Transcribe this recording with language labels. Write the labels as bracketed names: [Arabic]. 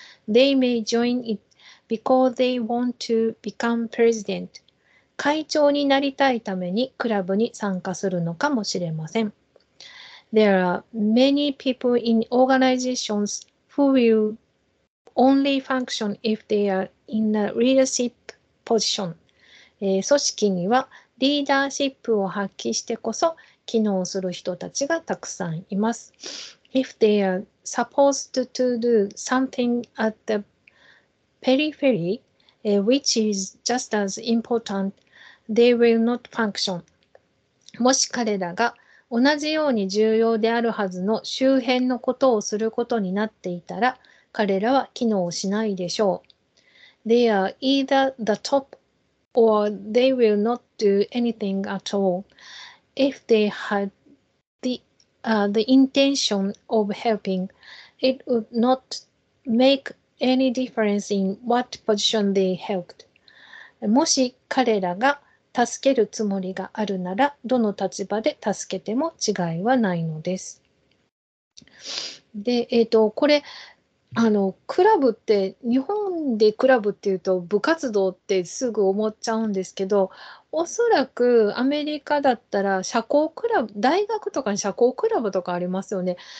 [English] They may join it because they want to become president. [Japanese] 会長になりたいためにクラブに参加するのかもしれません。 [English] There are many people in organizations who will only function if they are in a leadership position. [Japanese] 組織にはリーダーシップを発揮してこそ機能する人たちがたくさんいます。 [English] If they are supposed to do something at the periphery, which is just as important, they will not function. [Japanese] もし彼らが同じように重要であるはずの周辺のことをすることになっていたら、彼らは機能しないでしょう。 [English] They are either the top or they will not do anything at all. If they had the intention of helping, it would not make any difference in what position they helped. [Japanese] もし彼らが助けるつもりがあるなら、どの立場で助けても違いはないのです。で、これ、クラブって、日本でクラブっていうと部活動ってすぐ思っちゃうんですけど、おそらくアメリカだったら社交クラブ、大学とかに社交クラブとかありますよね。